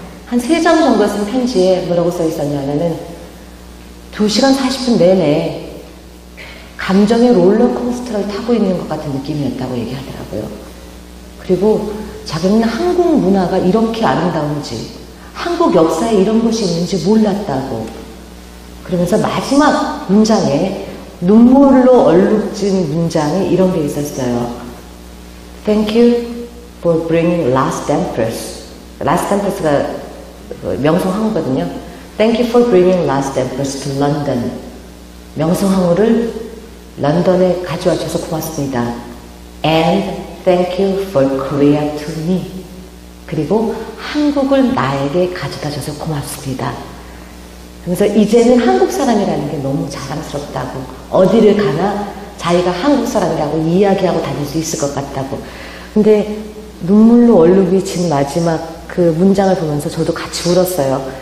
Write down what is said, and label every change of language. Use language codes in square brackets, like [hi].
[ko] 한 세 장 정도 쓴 편지에 뭐라고 써 있었냐면은 2시간 40분 내내 감정의 롤러코스터를 타고 있는 것 같은 느낌이었다고 얘기하더라고요. 그리고 자기는 한국 문화가 이렇게 아름다운지 한국 역사에 이런 것이 있는지 몰랐다고 그러면서 마지막 문장에 눈물로 얼룩진 문장이 이런 게 있었어요. [en] Thank you for bringing Last Empress. [ko] Last Empress가 명성황후거든요. [en] Thank you for bringing Last Empress to London. [ko] 명성황후를 런던에 가져와 주셔서 고맙습니다. [en] And thank you for Korea to me. [ko] 그리고 한국을 나에게 가져다 줘서 고맙습니다. 그래서 이제는 한국 사람이라는 게 너무 자랑스럽다고 어디를 가나 자기가 한국 사람이라고 이야기하고 다닐 수 있을 것 같다고. 근데 눈물로 얼룩진 마지막 그 문장을 보면서 저도 같이 울었어요.